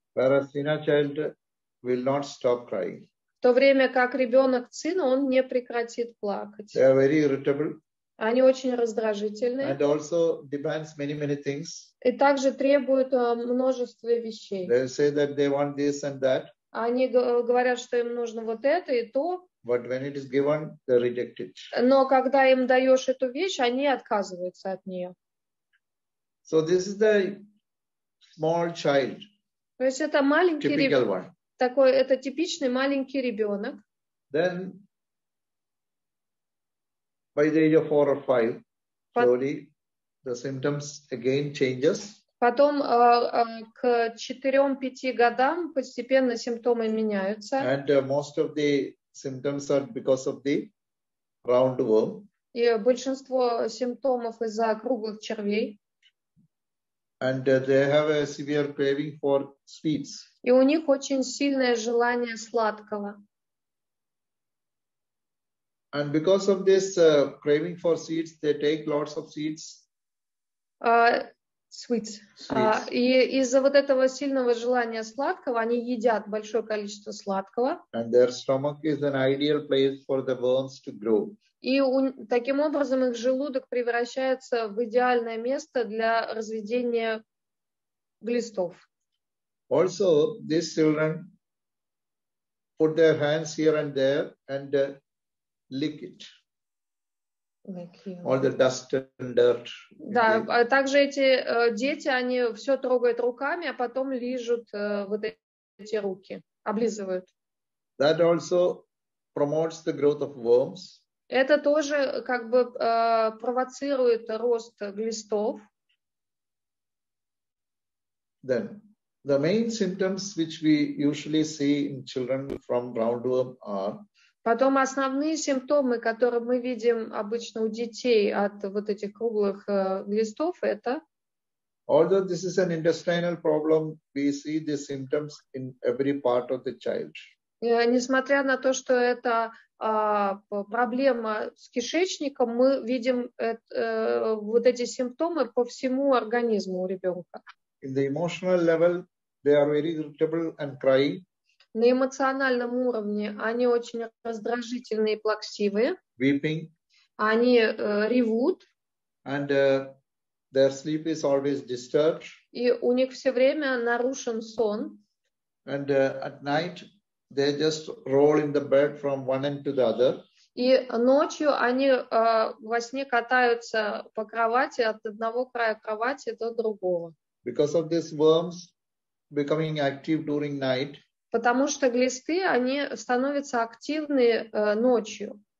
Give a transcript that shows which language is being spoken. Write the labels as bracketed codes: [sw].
[en] Whereas цина child will not stop crying. [ru] В то время как ребенок цина, он не прекратит плакать. [en] They are very irritable. [ru] Они очень раздражительные. [en] And also depends many things. [ru] И также требуют множество вещей. [en] They say that they want this and that. [ru] Они говорят, что им нужно вот это и то. [en] But when it is given, they reject it. [ru] Но когда им даешь эту вещь, они отказываются от нее. [en] So this is the small child. [ru] То есть это маленький такой, это типичный маленький ребенок. [en] Then, by the age of 4 or 5, slowly the symptoms again changes. [ru] Потом к 4-5 годам постепенно симптомы меняются. [en] And most of the symptoms are because of the roundworm. [ru] И большинство симптомов из-за круглых червей. [en] And they have a severe craving for sweets. [ru] И у них очень сильное желание сладкого. [en] And because of this craving for sweets, they take lots of sweets. Sweets. [ru] И из-за вот этого сильного желания сладкого они едят большое количество сладкого. [en] And their stomach is an ideal place for the worms to grow. [ru] И таким образом их желудок превращается в идеальное место для разведения глистов. [en] Also, these children put their hands here and there and lick it. Like all the dust and dirt. [ru] Да, а также эти дети, они все трогают руками, а потом лижут вот эти руки, облизывают. [en] That also promotes the growth of worms. [ru] Это тоже как бы провоцирует рост глистов. [en] Then, the main symptoms which we usually see in children from roundworm are. [ru] Потом основные симптомы, которые мы видим обычно у детей от вот этих круглых глистов, это. [en] Although this is an intestinal problem, we see the symptoms in every part of the child. [ru] Несмотря на то, что это проблема с кишечником, мы видим вот эти симптомы по всему организму у ребенка. [en] In the emotional level, they are very irritable and crying. [ru] На эмоциональном уровне они очень раздражительные и плаксивые. [en] Weeping. [ru] Они ревут. [en] And their sleep is always disturbed. [ru] И у них все время нарушен сон. [en] And at night they just roll in the bed from one end to the other. [ru] И ночью они во сне катаются по кровати от одного края кровати до другого. [en] Because of these worms becoming active during night. [ru] Потому что глисты, они становятся активны ночью.